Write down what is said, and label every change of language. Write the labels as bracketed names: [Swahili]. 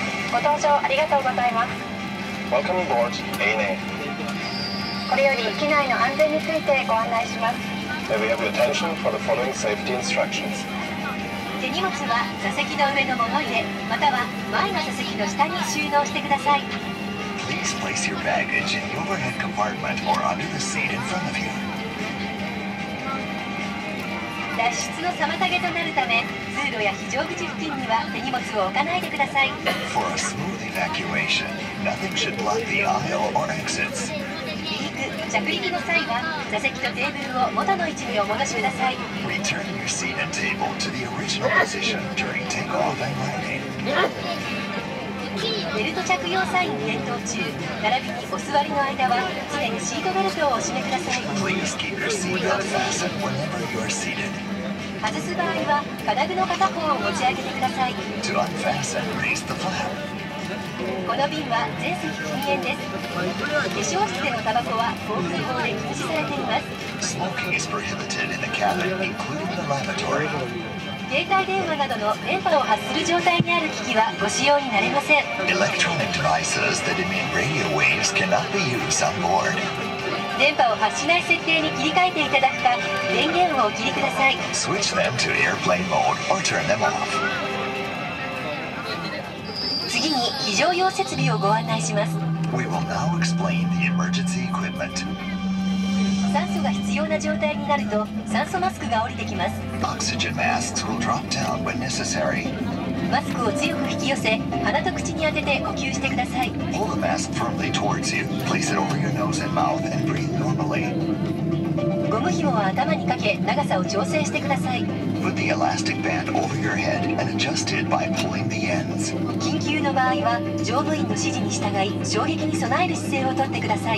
[Japanese] ご搭乗ありがとうございます。 [English] Welcome aboard, ANA. [Japanese] これより機内の安全についてご案内します。 [English] May we have your attention for the following safety instructions. [Japanese] 手荷物は座席の上のもの入れ、または前の座席の下に収納してください。 [English] Please place your baggage in the overhead compartment or under the seat in front of you. [Japanese] 脱出の妨げとなるため、通路や非常口付近には手荷物を置かないでください。 [English] For a smooth evacuation, nothing should block the aisle or exits. [Japanese] 離陸、着陸の際は座席とテーブルを元の位置にお戻しください。 [English] Return your seat and table to the original position during takeoff and landing. [Japanese] ベルト着用サイン点灯中、並びにお座りの間は常にシートベルトをお締めください。 [English] Please keep your seatbelt fastened whenever you are seated. [Japanese] 外す場合は金具の片方を持ち上げてください。 [English] To unfasten, raise the flap. [Japanese] この便は全席禁煙です。化粧室でのタバコは航空法で禁止されています。 [English] Smoking is prohibited in the cabin, including the lavatory. [Japanese] 携帯電話などの電波を発する状態にある機器はご使用になれません。 [English] Electronic devices that emit radio waves cannot be used on board. [Japanese] 電波を発しない設定に切り替えていただくか、電源をお切りください。 [English] Switch them to airplane mode or turn them off. [Japanese] 次に非常用設備をご案内します。 [English] We will now explain the emergency equipment. [Japanese] 酸素が必要な状態になると、酸素マスクが降りてきます。 [English] Oxygen masks will drop down when necessary. [Japanese] マスクを強く引き寄せ、鼻と口に当てて呼吸してください。 [English] Pull the mask firmly towards you. Place it over your nose and mouth and breathe normally. [Japanese] ゴム紐は頭にかけ、長さを調整してください。 [English] Put the elastic band over your head and adjust it by pulling the ends. [Japanese] 緊急の場合は、乗務員の指示に従い、衝撃に備える姿勢をとってください。